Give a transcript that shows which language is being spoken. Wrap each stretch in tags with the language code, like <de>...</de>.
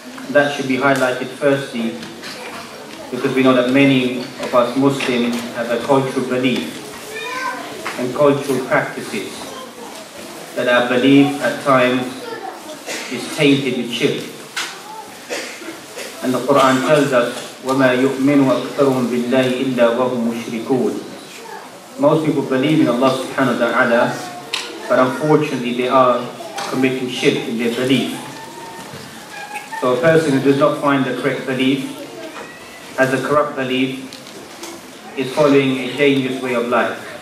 <en>That should be highlighted firstly because we know that many of us Muslims have a cultural belief and cultural practices, that our belief at times is tainted with shirk. And the Quran tells us,</en> <ar>وَمَا يُؤْمِنُوا أَكْثَرُهُمْ بِاللَّهِ إِلَّا وَهُمْ مُشْرِكُونَ.</ar> <en>Most people believe in Allah subhanahu wa ta'ala, but unfortunately they are committing shirk in their belief. So a person who does not find the correct belief, has a corrupt belief, is following a dangerous way of life.</en>